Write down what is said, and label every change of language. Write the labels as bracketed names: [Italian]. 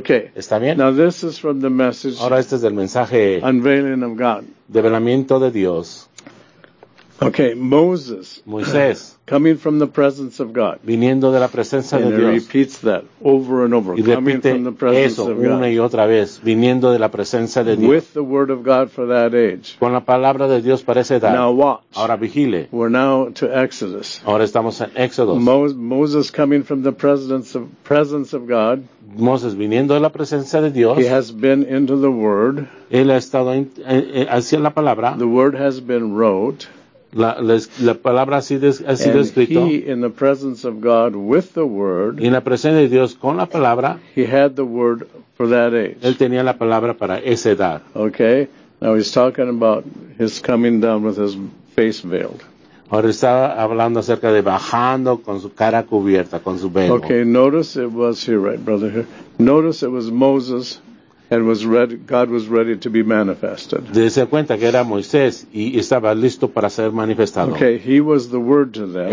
[English] Okay. [Spanish] ¿Está bien? [English] Now this is from the message. [Spanish] Ahora este es del mensaje. [English] Unveiling of God. [Spanish] Develamiento de Dios. [English] Okay, Moses, [Spanish] Moisés, [English] coming from the presence of God, [Spanish] viniendo de la presencia [English] and [Spanish] de Dios, [English] and repeats that over and over, coming from the presence [Spanish] eso, [English] of God, [Spanish] una y otra vez, viniendo de la presencia de Dios, [English] with the word of God for that age, [Spanish] con la palabra de Dios para esa edad. [English] Now watch, [Spanish] ahora vigile, [English] we're now to Exodus, [Spanish] ahora estamos en Éxodo, [English] Moses coming from the presence of God, [Spanish] Moses viniendo de la presencia de Dios, [English] he has been into the word, [Spanish] él ha estado hacia la palabra, [English] the word has been wrote. [Spanish] La palabra ha sido escrito. [English] And he, in the presence of God with the word, [Spanish] y en la presencia de Dios con la palabra, [English] he had the word for that age. [Spanish] Él tenía la palabra para esa edad. [English] Okay. Now he's talking about his coming down with his face veiled. [Spanish] Ahora estaba hablando acerca de bajando con su cara cubierta, con su velo. [English] Okay, notice it was here, right, brother? Here. Notice it was Moses, and was ready, God was ready to be manifested. [Spanish] Dese cuenta que era Moisés y estaba listo para ser manifestado. [English] Okay, he was the word to them.